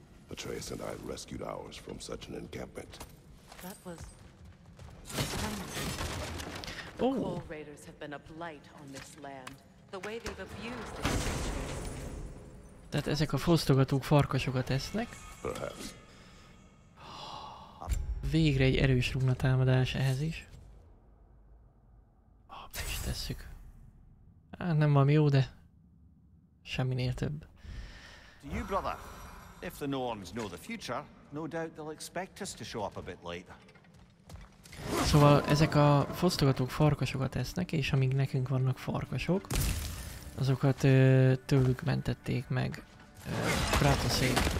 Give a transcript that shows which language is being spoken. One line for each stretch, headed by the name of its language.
English: Atreus and I rescued ours from such an encampment. That was... Oh. Coal raiders have been a blight on this land. The way they've abused this country.
Hungarian: Tehát ezek a fosztogatók farkasokat esznek.
English: Perhaps.
Hungarian: Végre egy erős runa támadás ehhez is. Ah, be is tesszük. Hát nem valami jó, de Semminél több.
English: To you, brother. If the Norns know the future, no doubt they'll expect us to show up a bit later.
Hungarian: Szóval ezek a fosztogatók farkasokat esznek, és amíg nekünk vannak farkasok, azokat tőlük mentették meg Kratoszék.